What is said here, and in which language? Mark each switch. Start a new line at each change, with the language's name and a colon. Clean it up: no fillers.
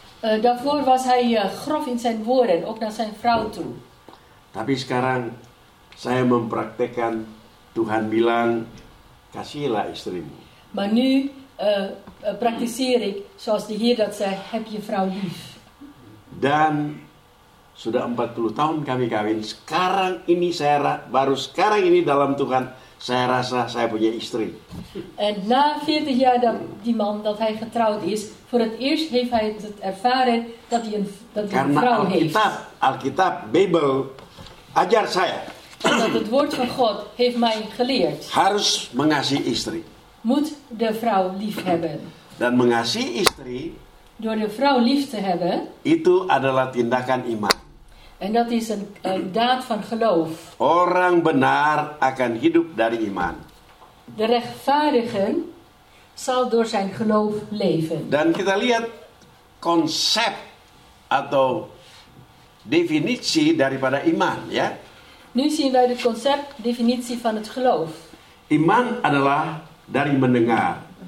Dutch: Daarvoor was hij grof in zijn woorden, ook naar zijn vrouw toe.
Indonesian: Tapi sekarang saya mempraktekkan Tuhan bilang kasihilah istrimu.
Dutch: Maar nu praktiseer ik zoals de Heer dat zei, heb je vrouw lief.
Indonesian: Dan sudah 40 tahun kami kawin. Sekarang ini saya baru sekarang ini dalam Tuhan Zij rasa, zij punya istri.
Dutch: En na 40 jaar dat die man, dat hij getrouwd is, voor het eerst heeft hij het ervaren dat hij een vrouw heeft.
Indonesian: Alkitab, Alkitab, Bijbel, ajar saya.
Dutch: Dat het woord van God heeft mij geleerd.
Indonesian: Harus mengasihi istri.
Dutch: Moet de vrouw lief hebben.
Indonesian: Dan mengasihi istri.
Dutch: Door de vrouw lief te hebben.
Indonesian: Itu adalah tindakan iman.
Dutch: En dat is een daad van geloof.
Indonesian: Orang benar akan hidup dari iman.
Dutch: De rechtvaardige zal door zijn geloof leven.
Indonesian: Dan kita lihat konsep atau definisi daripada iman, ya.
Dutch: Nu zien wij het concept, definitie van het geloof.
Indonesian: Iman adalah dari mendengar.